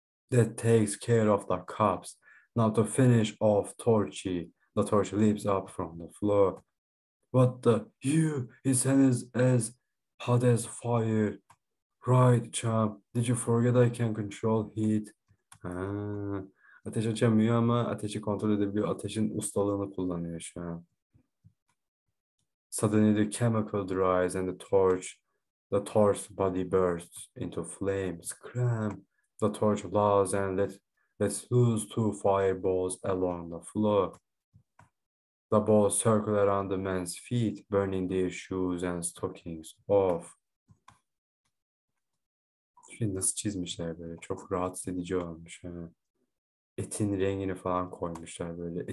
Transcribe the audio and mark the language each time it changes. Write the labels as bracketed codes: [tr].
[en] That takes care of the cops. Now to finish off Torchy, the torch leaps up from the floor. What the, you, his hand is as hot as fire. Right, chum, did you forget I can control heat? [tr] Ateş açamıyor ama ateşi kontrol edebiliyor. Ateşin ustalığını kullanıyor şu an. [en] Suddenly the chemical dries and the torch body bursts into flames. Scram! The torch blows and lets loose two fireballs along the floor. The balls circle around the man's feet, burning their shoes and stockings off. [tr] Şimdi nasıl çizmişler böyle? Çok rahatsız edici olmuş. He. Etin rengini falan koymuşlar böyle.